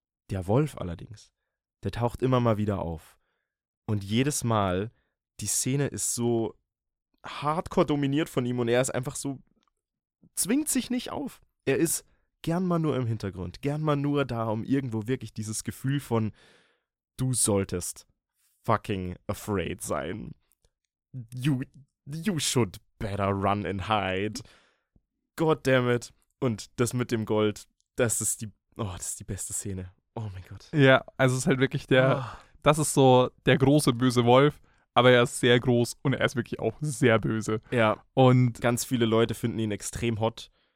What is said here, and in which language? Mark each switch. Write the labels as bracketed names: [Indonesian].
[German] Der Wolf allerdings, der taucht immer mal wieder auf. Und jedes Mal, die Szene ist so hardcore dominiert von ihm und er ist einfach so, zwingt sich nicht auf. Er ist gern mal nur im Hintergrund, gern mal nur da, um irgendwo wirklich dieses Gefühl von, du solltest [English] fucking afraid [German] sein. [English] You should better run and hide. Goddammit. [German] Und das mit dem Gold, das ist die beste Szene. Oh mein Gott. Ja, also es ist halt wirklich der, das ist so der große böse Wolf, aber er ist sehr groß und er ist wirklich auch sehr böse. Ja. Und ganz viele Leute finden ihn extrem hot.